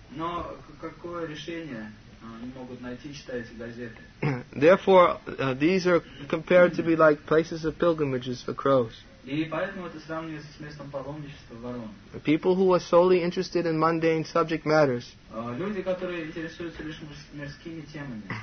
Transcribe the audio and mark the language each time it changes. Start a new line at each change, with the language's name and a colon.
Russian: Но какое решение они могут найти, читая эти газеты?
English: Therefore, these are compared to be like places of pilgrimages for crows.
Russian: И поэтому это сравнивается с местом паломничества ворон.
English: People who are solely interested in mundane subject matters.
Russian: Люди, которые интересуются лишь мирскими темами.